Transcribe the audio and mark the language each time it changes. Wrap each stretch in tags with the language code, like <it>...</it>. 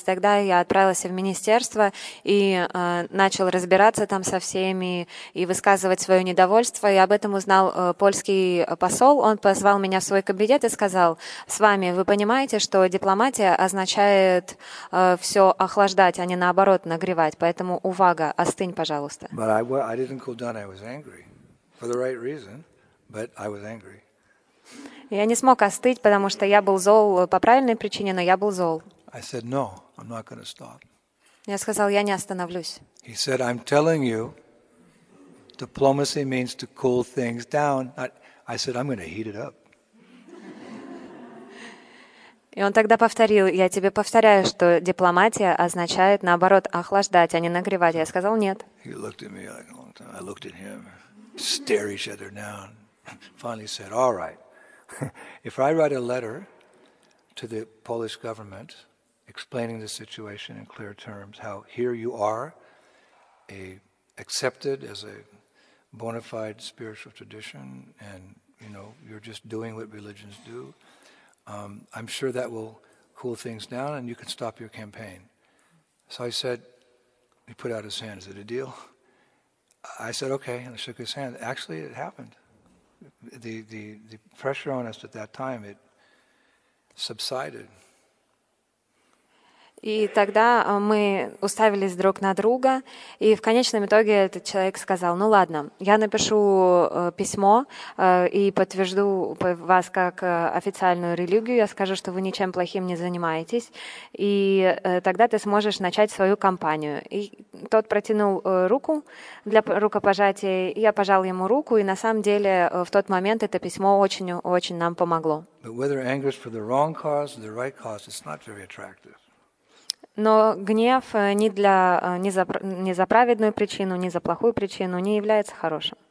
<ru>Тогда я отправился в министерство и начал разбираться там со всеми и высказывать свое недовольство. И об этом узнал польский посол. Он позвал меня в свой кабинет и сказал, «С вами, вы понимаете, что дипломатия означает все охлаждать, а не наоборот нагревать. Поэтому, увага, остынь, пожалуйста».</ru> <en>But I didn't cool down, I was angry, for the right reason. But I was angry.</en> <ru>Я не смог остыть, потому что я был зол по правильной причине, но я был зол.</ru> <en>I said, no, I'm not going to stop.</en> <ru>Я сказал, я не остановлюсь.</ru> <en>He said, I'm telling you, diplomacy means to cool things down. I said, I'm going to heat it up.</en> <ru>И он тогда повторил, я тебе повторяю, что дипломатия означает наоборот охлаждать, а не нагревать. Я сказал, нет.</ru> <en>He looked at me like a long time. I looked at him, stare each other down. Finally said, all right, if I write a letter to the Polish government explaining the situation in clear terms, how here you are accepted as a bona fide spiritual tradition and, you know, you're just doing what religions do, I'm sure that will cool things down and you can stop your campaign. So I said, he put out his hand, is it a deal? I said, okay, and I shook his hand. Actually, it happened. The pressure on us at that time, it subsided.</en> <ru>И тогда мы уставились друг на друга, и в конечном итоге этот человек сказал, ну ладно, я напишу письмо и подтвержду вас как официальную религию, я скажу, что вы ничем плохим не занимаетесь, и тогда ты сможешь начать свою кампанию. И тот протянул руку для рукопожатия, и я пожал ему руку, и на самом деле в тот момент это письмо очень-очень нам помогло.</ru> <en>But whether anger is for the wrong cause or the right cause, it's not very attractive.</en> <ru>Но гнев ни за праведную причину, ни за плохую причину не является хорошим.</ru>